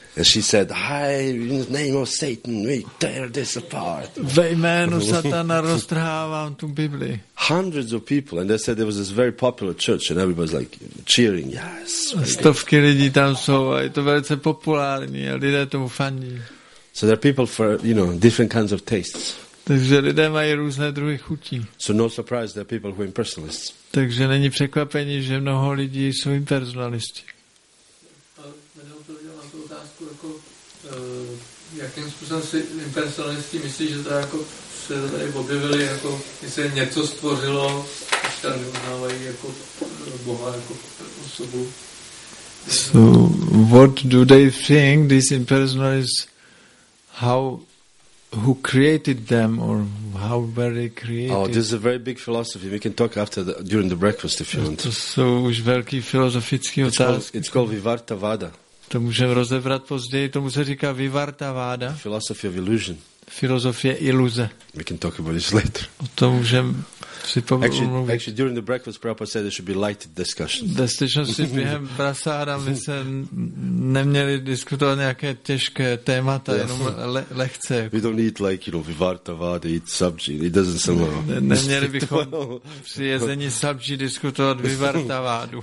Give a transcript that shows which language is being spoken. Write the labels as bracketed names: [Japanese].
[English] And she said, hi, in the name of Satan, we tear this apart. [Czech] Ve jménu satana roztrhávám tu Bibli. [English] Hundreds of people, and they said there was this very popular church, and everybody was like cheering, yes. [Czech] Stovky lidí tam jsou, a je to velice populární, a lidé tomu fandí. [English] So there are people for, you know, different kinds of tastes. [Czech] Takže lidé mají různé druhy chutí. [English] So no surprise there are people who are impersonalists. [Czech] Takže není překvapení, že mnoho lidí jsou impersonalisti. A jenom to udělám na tu otázku, jako, jakým způsobem si impersonalisti myslí, že to jako se tady objevili, jako, jestli něco stvořilo, když tam uznávají jako Boha, jako osobu. [English] So, what do they think, these impersonalists, how... Who created them, or how were they created? Oh, this is a very big philosophy. We can talk after the, during the breakfast if you want. [Czech] To jsou už velký filozofický otázky. [English] It's called Vivarta Vada. [Czech] To můžeme rozebrat později. Tomu se říká Vivarta Vada. [English] Philosophy of illusion. [Czech] Filozofie iluze. [English] We can talk about this later. [Czech] O tom můžeme si pomluvit. [English] Actually, during the breakfast, Prabhupada said there should be light discussions. [Czech] Ve skutečnosti během prasáda my se neměli diskutovat nějaké těžké témata, jenom lehce. [English] We don't need like, you know, Vivarta Vada, eat sabji. It doesn't somehow... [Czech] Neměli bychom při jezení sabji diskutovat Vivarta Vádu.